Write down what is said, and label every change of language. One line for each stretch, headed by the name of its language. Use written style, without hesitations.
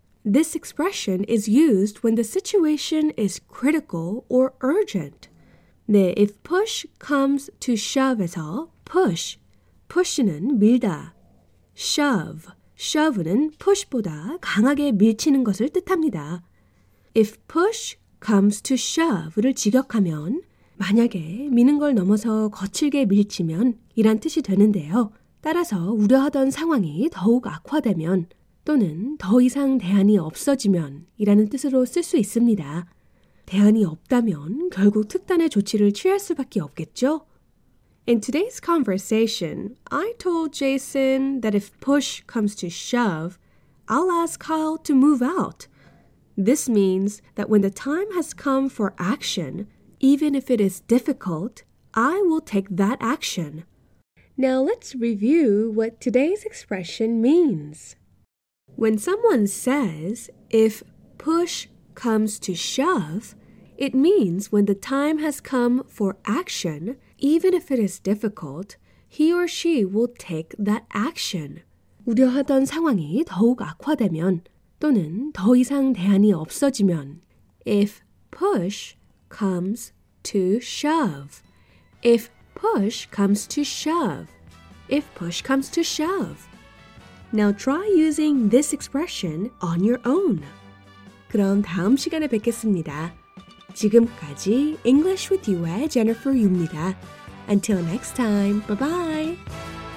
English: This expression is used when the situation is critical or urgent.
Korean: 네,
English: if push comes to shove
Korean: 에서 push, push는 밀다, shove, shove는 push보다 강하게 밀치는 것을 뜻합니다.
English: If push comes to shove
Korean: 를 직역하면 만약에 미는 걸 넘어서 거칠게 밀치면 이란 뜻이 되는데요. 따라서 우려하던 상황이 더욱 악화되면 또는 더 이상 대안이 없어지면 이라는 뜻으로 쓸 수 있습니다. 대안이 없다면 결국 특단의 조치를 취할 수밖에 없겠죠?
English: In today's conversation, I told Jason that if push comes to shove, I'll ask Kyle to move out. This means that when the time has come for action, even if it is difficult, I will take that action. Now let's review what today's expression means. When someone says, if push comes to shove, it means when the time has come for action, even if it is difficult, he or she will take that action.
Korean: 우려하던 상황이 더욱 악화되면 또는 더 이상 대안이 없어지면
English: If push comes to shove If push comes to shove If push comes to shove Now try using this expression on your own.
Korean: 그럼 다음 시간에 뵙겠습니다. 지금까지 English with You의 Jennifer Yu입니다.
English: Until next time, bye-bye!